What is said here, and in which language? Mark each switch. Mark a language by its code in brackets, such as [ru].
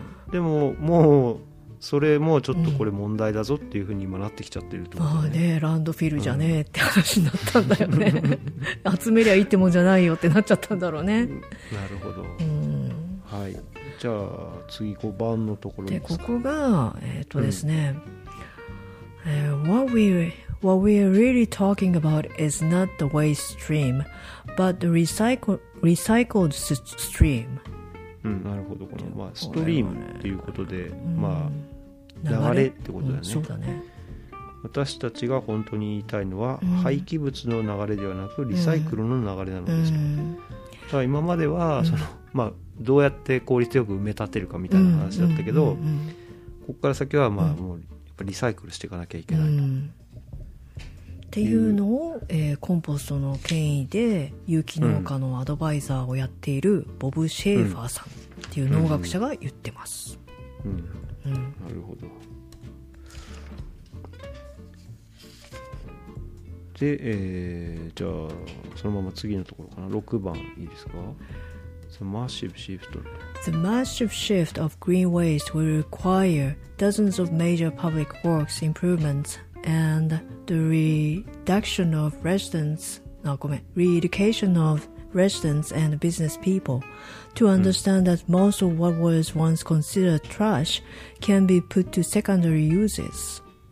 [ja] でももうそれもちょっとこれ問題だぞっていう風に今なってきちゃってると思う、ね、まあねランドフィルじゃねえって話になったんだよね集めりゃいいってもんじゃないよってなっちゃったんだろうね。なるほど、はい、じゃあ次5番のところですか。でここがですね、 [en] What we're really talking about is not the waste stream, but the recycled stream. [ja] なるほど、この、まあ、ストリームっていうことで、まあ、流れってことだよね。そうだね。私たちが本当に言いたいのは、廃棄物の流れではなく、リサイクルの流れなのですと。ただ今までは、その、まあ、どうやって効率よく埋め立てるかみたいな話だったけど、ここから先は、まあ、もう、やっぱリサイクルしていかなきゃいけないと。っていうのを、コンポストの権威で有機農家のアドバイザーをやっているボブ・シェーファーさんっていう農学者が言ってます。なるほど。で、じゃあそのまま次のところかな。 6番いいですか。 [en] The massive shift The massive shift of green waste will require dozens of major public works improvementsand the reduction of residents re-education of residents and business people to understand that most of what was once considered trash can be put to secondary uses、